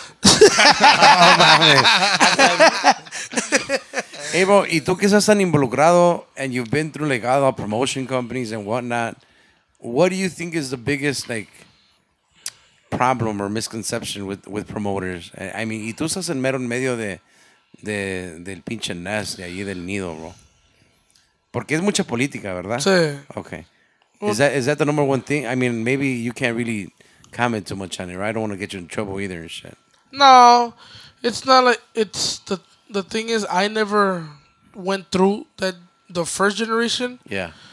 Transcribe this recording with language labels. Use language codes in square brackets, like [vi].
[es] Oh, mames. Hey, bro, y tú que estás tan involucrado and you've been through like all the promotion companies and whatnot, what do you think is the biggest like problem or misconception with promoters? I mean, y tú estás en mero en medio del pinche nest de ahí del nido, bro. Porque es mucha política, ¿verdad? Sí. [en] Okay. Is that the number one thing? I mean, maybe you can't really comment too much on it, right? I don't want to get you in trouble either and shit. No, it's not like it's the thing is I never went through that the first generation. Yeah.